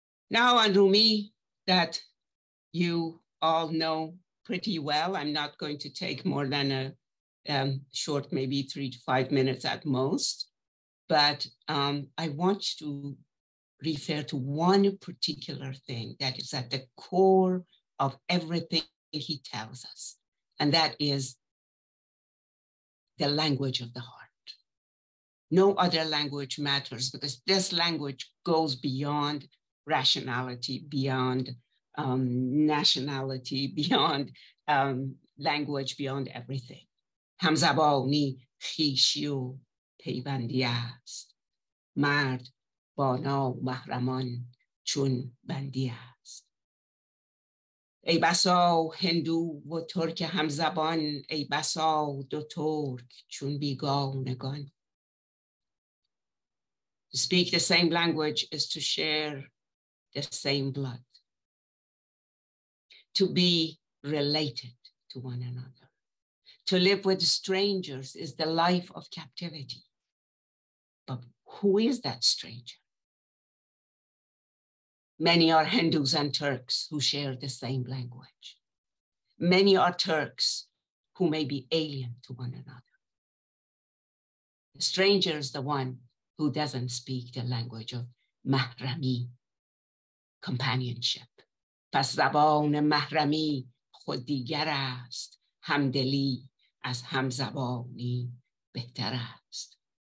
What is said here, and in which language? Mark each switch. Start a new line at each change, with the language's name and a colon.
English: Now on Rumi, that you all know pretty well, I'm not going to take more than a short, maybe 3 to 5 minutes at most, but I want to refer to one particular thing that is at the core of everything he tells us, and that is the language of the heart. No other language matters, because this language goes beyond rationality, beyond nationality, beyond language, beyond everything.
Persian: همزبانی خیشی و پیوندی است. مرد با نامحرمان چون بندی است. ای بسا هندو و ترک همزبان، ای بسا دو ترک چون بیگانگان.
English: To speak the same language is to share the same blood, to be related to one another. To live with strangers is the life of captivity. But who is that stranger? Many are Hindus and Turks who share the same language. Many are Turks who may be alien to one another. The stranger is the one who doesn't speak the language of mahrami, companionship.
Persian: پس زبان محرمی خود دیگر است. همدلی از همزبانی بهتر است.